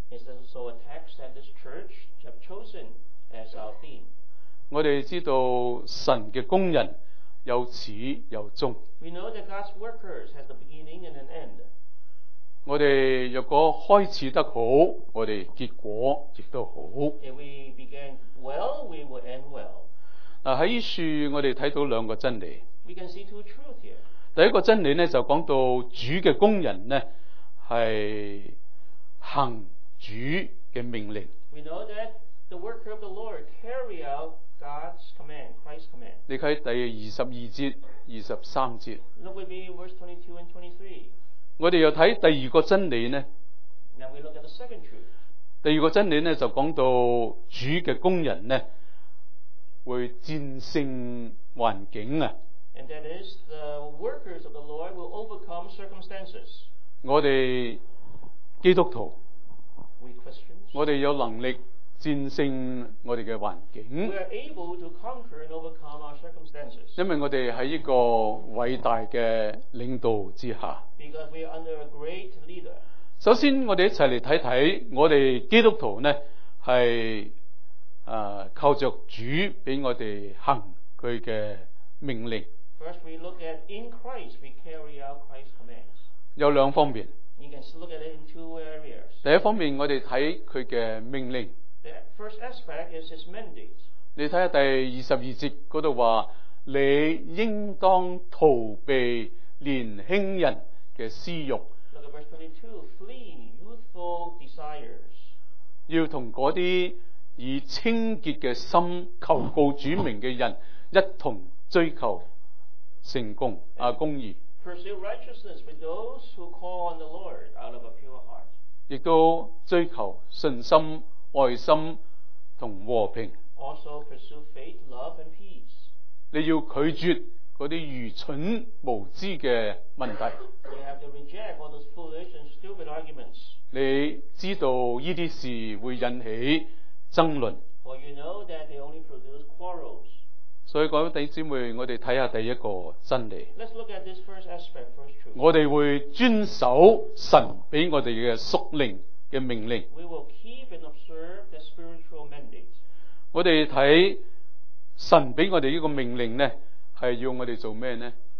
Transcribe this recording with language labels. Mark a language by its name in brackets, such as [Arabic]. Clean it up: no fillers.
[English] It's also a text that this church have chosen as our theme. [Chinese] 我们知道神的工人有始有终。 [English] We know that God's workers has a beginning and an end. [Chinese] 我们若果开始得好，我们结果亦都好。 [English] If we began well, we will end well. [Chinese] 在这处我们看到两个真理。 [English] We can see two truths here. [Chinese] 第一个真理呢，就讲到主的工人呢，是行主的命令。 [English] We know that the worker of the Lord carry out God's command, Christ's command. [Chinese] 你看第22节、23节。 [English] Look with me, verse 22 and 23. [Chinese] 我们又看第二个真理呢。 [English] Now we look at the second truth. [Chinese] 第二个真理呢，就讲到主的工人呢，会战胜环境啊。 [English] And that is, the workers of the Lord will overcome circumstances. [Chinese] 我们基督徒。 [English] We Christians. [Chinese] 我们有能力战胜我们的环境。 [English] We are able to conquer and overcome our circumstances. [Chinese] 因为我们在一个伟大的领导之下。 [English] Because we are under a great leader. [Chinese] 首先我们一起来看看我们基督徒呢，是靠着主给我们行祂的命令。 [English] First we look at in Christ, we carry out Christ's commands. [Chinese] 有两方面。 [English] You can look at it in two areas. [Chinese] 第一方面我们看祂的命令。 [English] The first aspect is his mandate. [Chinese] 你看第22节那里说，你应当逃避年轻人的私欲。 [English] Look at verse 22, flee youthful desires. [Chinese] 要跟那些以清洁的心求告主名的人一同追求成功啊公义。 [English] Pursue righteousness with those who call on the Lord out of a pure heart. [Chinese] 亦都追求信心爱心和和平。 [English] Also pursue faith, love and peace. [Chinese] 你要拒绝那些愚蠢无知的问题。 [English] You have to reject all those foolish and stupid arguments. [Chinese] 你知道这些事会引起争论。 [English] Well, you know that they only produce quarrels. [Chinese] 所以各位弟兄姊妹，我们看看第一个真理。 [English] Let's look at this first aspect, first truth. [Chinese] 我们会遵守神给我们的属灵的命令。 [English] We will keep and observe the spiritual mandate. [Chinese] 我们看神给我们这个命令呢，是要我们做什么呢？